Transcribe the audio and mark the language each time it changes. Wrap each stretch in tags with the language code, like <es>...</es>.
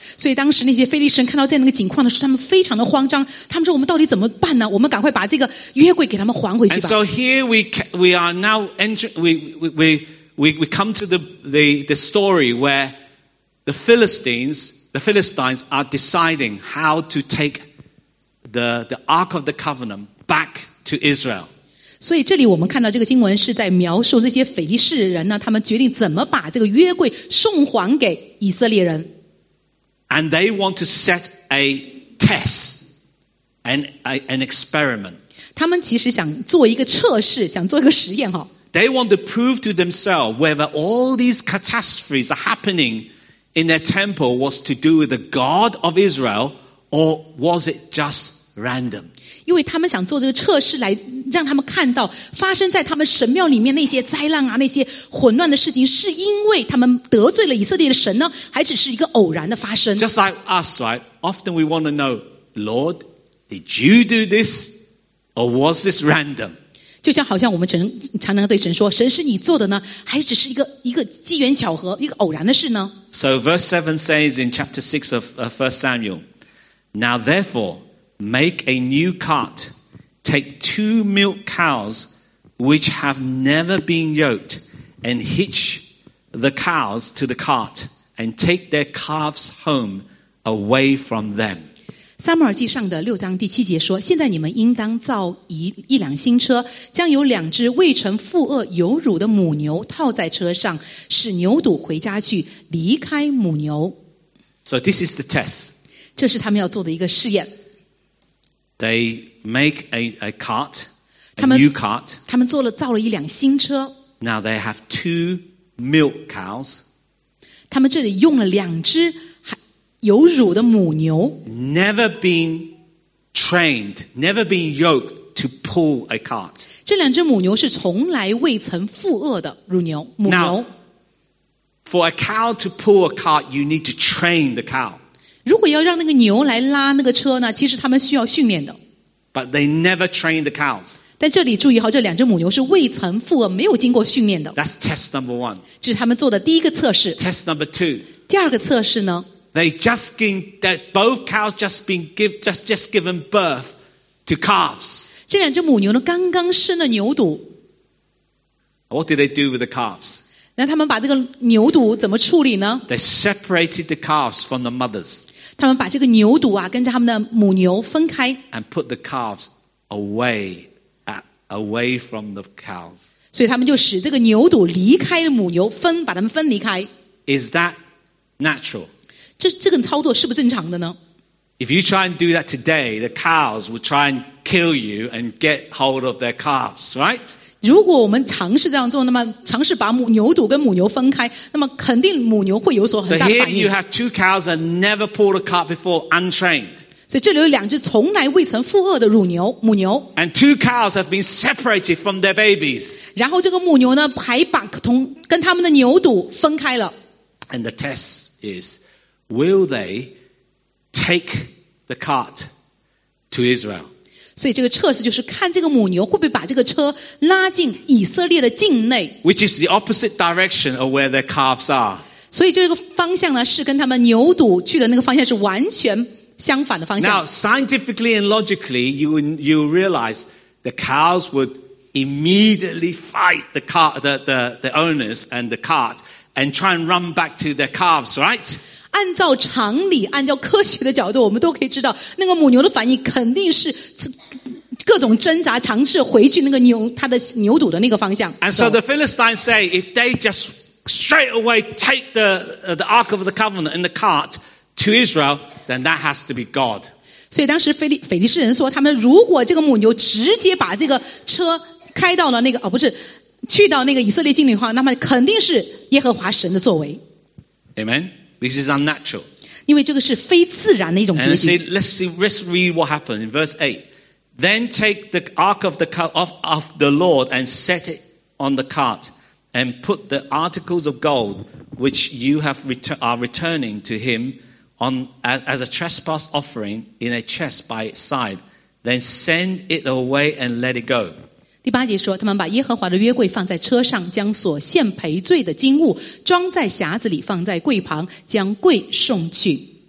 <zh>所以当时那些腓力士人看到在那个景况的时候，他们非常的慌张。他们说：“我们到底怎么办呢？我们赶快把这个约柜给他们还回去吧。”</zh> <en>And so here we are now entering. We come to the story where the Philistines are deciding how to take the Ark of the Covenant back to Israel.</en> <zh>所以这里我们看到这个经文是在描述这些腓力士人呢，他们决定怎么把这个约柜送还给以色列人。</zh> <en>And they want to set a test, an experiment.</en> <zh>他们其实想做一个测试，想做一个实验哈。</zh> <en>They want to prove to themselves whether all these catastrophes are happening in their temple was to do with the God of Israel or was it just random.</en> <zh>因为他们想做这个测试来让他们看到发生在他们神庙里面那些灾难啊那些混乱的事情是因为他们得罪了以色列的神呢还只是一个偶然的发生</zh> <en>Just like us, right? Often we want to know, Lord, did you do this? Or was this random?</en> <zh>就像好像我们常常对神说神是你做的呢还只是一个机缘巧合一个偶然的事呢</zh> <en>So verse 7 says in chapter 6 of 1 Samuel, Now therefore,Make a new cart. Take two milk cows which have never been yoked and hitch the cows to the cart and take their calves home away from them.</en> <zh>撒母耳记上的六章第七节说现在你们应当造一辆新车将有两只未曾负轭有乳的母牛套在车上使牛犊回家去离开母牛。</zh> <en>So this is the test.</en> <zh>这是他们要做的一个试验。</zh> <en>They make a cart, a new cart.</en> <zh>他们造了一辆新车。</zh> <en>Now they have two milk cows.</en> <zh>他们这里用了两只有乳的母牛。</zh> <en>Never been trained, never been yoked to pull a cart.</en> <zh>这两只母牛是从来未曾负轭的乳牛母牛。</zh> <en>Now, for a cow to pull a cart, you need to train the cow.</en> <zh>如果要让那个牛来拉那个车呢其实他们需要训练的。</zh> <en>But they never trained the cows.</en> <zh>但这里注意好这两只母牛是未曾负轭没有经过训练的。</zh> <en>That's test number one.</en> <zh>这是他们做的第一个测试。</zh> <en>Test number two.</en> <zh>第二个测试呢</zh> <en>They both cows just given birth to calves.</en> <zh>这两只母牛呢刚刚生了牛犊。</zh> <en>What did they do with the calves?</en> <zh>那他们把这个牛犊怎么处理呢</zh> <en>？They separated the calves from the mothers.</en> <zh>他们把这个牛犊啊，跟着他们的母牛分开。</zh> <en>And put the calves away from the cows.</en> <zh>所以他们就使这个牛犊离开了母牛，把他们分离开。</zh> <en>Is that natural?</en> <zh>这个操作是不正常的呢</zh> <en>？If you try and do that today, the cows will try and kill you and get hold of their calves, right?</en> <zh>如果我们尝试这样做，那么尝试把牛犊跟母牛分开，那么肯定母牛会有所很大反应。</zh> <en>So here you have two cows that never pulled a cart before, untrained.</en> <zh>所以这里有两只从来未曾负轭的乳牛母牛。</zh> <en>And two cows have been separated from their babies.</en> <zh>然后这个母牛呢，还把跟他们的牛犊分开了。</zh> <en>And the test is, will they take the cart to Israel?</en> <zh>所以这个测试就是看这个母牛会不会把这个车拉进以色列的境内</zh> <en>Which is the opposite direction of where their calves are.</en> <zh>所以这个方向呢是跟他们牛犊去的那个方向是完全相反的方向</zh> <en>Now scientifically and logically you realize the cows would immediately fight the owners and the cart and try and run back to their calves, right?</en> <zh>按照常理按照科学的角度我们都可以知道那个母牛的反应肯定是各种挣扎尝试回去那个牛它的牛犊的那个方向</zh> <en>And so the Philistines say if they just straight away take the Ark of the Covenant and the cart to Israel then that has to be God</en> <zh>所以当时腓利士人说，他们如果这个母牛直接把这个车开到了那个，哦，不是，去到那个以色列境内的话，那么肯定是耶和华神的作为。</zh> <en>Amen. This is unnatural.</en> <zh>因为这个是非自然的一种结局。</zh> <en>And let's read what happened in verse 8. Then take the ark of the Lord and set it on the cart, and put the articles of gold which you have are returning to him on as a trespass offering in a chest by its side. Then send it away and let it go.</en> <zh>第八节说，他们把耶和华的约柜放在车上，将所献赔罪的金物装在匣子里，放在柜旁，将柜送去。</zh>